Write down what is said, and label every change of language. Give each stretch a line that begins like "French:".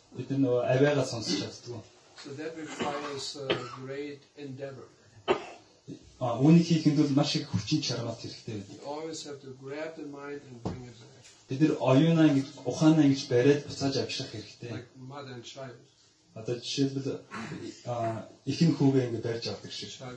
Mongolian: Бид нөө авиагаа сонсч чаддгүй.
English: So that requires a great endeavor.
Mongolian: А үүний хийхэд бол маш их хүчин чармайлт хэрэгтэй байдаг.
English: Always have to grab the mind and bring it back.
Mongolian: Бид нар оюунаа ингэж ухаанаа ингэж бариад буцааж авчих хэрэгтэй.
English: Like mother and child.
Mongolian: Одоо жишээлбэл ихэнх хүүгээ ингэж барьж авдаг шиг.